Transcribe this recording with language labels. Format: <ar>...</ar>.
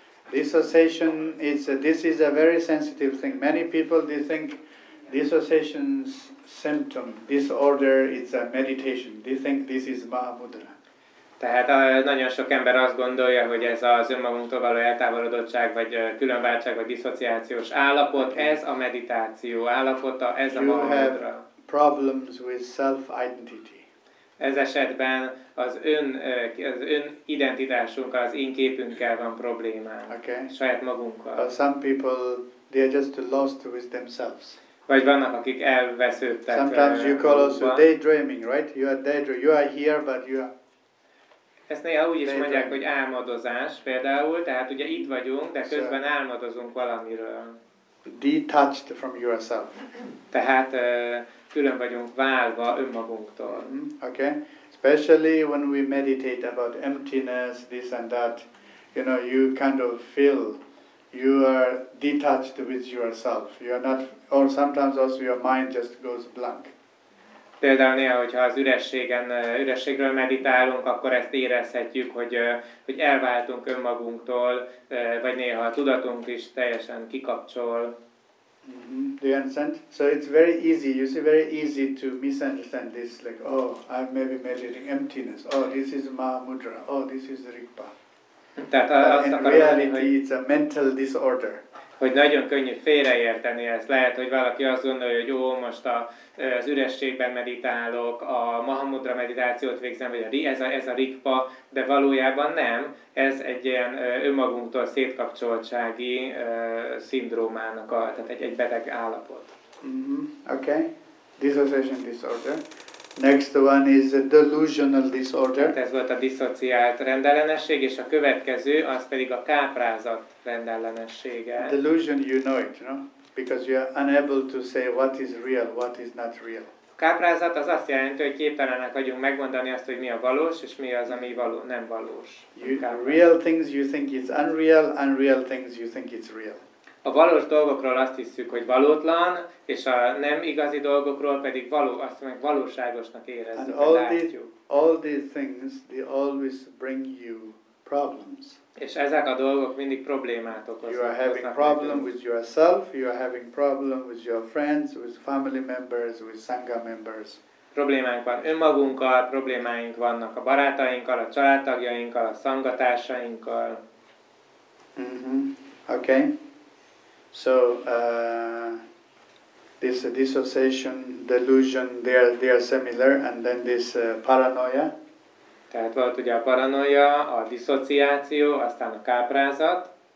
<en>Dissociation is a very sensitive thing. Many people they think Dissociation's symptom, disorder, it's a meditation. They think this is Mahabuddha.</en> <hu>Tehát nagyon sok ember azt gondolja, hogy ez az önmagunktól való eltávolodottság, vagy különváltság, vagy diszociációs állapot, ez a meditáció állapota, ez</hu> <en>you</en> <hu>a Mahabuddha.</hu> <en>Problems with self-identity.</en> <hu>Ez esetben az ön identitásunk, az én képünkkel van problémánk,</hu> <en>okay.</en> <hu>Saját magunkkal.</hu> <en>But some people, they are just lost with themselves.</en> <hu>Vagy vannak, akik elvesződtek.</hu> <en>Sometimes you call also daydreaming, right? You are daydreaming. You are here, but you are.</en> <hu>Ezt néha úgy is mondják, hogy álmodozás például, tehát ugye itt vagyunk, de közben álmodozunk valamiről.</hu> <en>Detached from yourself.</en> <hu>Tehát külön vagyunk válva önmagunktól.</hu> <en>Okay. Especially when we meditate about emptiness, this and that, you know, you kind of feel you are detached with yourself. You are not, or sometimes also your mind just goes blank.</en> <hu>Például néha, hogyha az ürességről meditálunk, akkor ezt érezhetjük, hogy elváltunk önmagunktól, vagy néha a tudatunk is teljesen kikapcsol.</hu> <en>Do you understand? So it's very easy, you see, very easy to misunderstand this, like, oh, I'm maybe meditating emptiness, oh, this is Mahamudra, oh, this is Rigpa.</en> <hu>Tehát</hu> <en>it's a mental disorder.</en> <hu>Hogy nagyon könnyű félreérteni ezt. Lehet, hogy valaki azt gondolja, hogy jó, most az ürességben meditálok, a Mahamudra meditációt végzem, vagy ez a Rigpa, de valójában nem. Ez egy ilyen önmagunktól szétkapcsoltsági szindrómának, tehát egy beteg állapot.</hu> <en>Mm-hmm. Okay. Dissociation disorder. Next one is a delusional disorder.</en> <hu>Tehát ez volt a diszociált rendellenesség, és a következő az pedig a káprázat rendellenessége.</hu> <en>Delusion, you know it, no? Because you are unable to say what is real, what is not real.</en> <hu>A káprázat az azt jelenti, hogy képtelenek vagyunk megmondani azt, hogy mi a valós, és mi az, ami nem valós.</hu> <en>Real things you think is unreal, unreal things you think it's real.</en> <hu>A valós dolgokról azt hiszük, hogy valótlan, és a nem igazi dolgokról pedig azt meg valóságosnak érezzük.</hu> <en>And all these things, they always bring you problems.</en> <hu>És ezek a dolgok mindig problémát okoznak.</hu> <en>You are having problem with yourself, you are having problem with your friends, with family members, with sangha members.</en> <hu>Problémánk van önmagunkkal, problémáink vannak a barátainkkal, a családtagjainkkal, a szangatársainkkal.</hu> <en>Mm-hmm. Okay. So this dissociation, delusion, they are similar, and then this paranoia.</en> <hu>Tehát volt ugye a paranoia, a diszociáció, aztán a káprázat.</hu>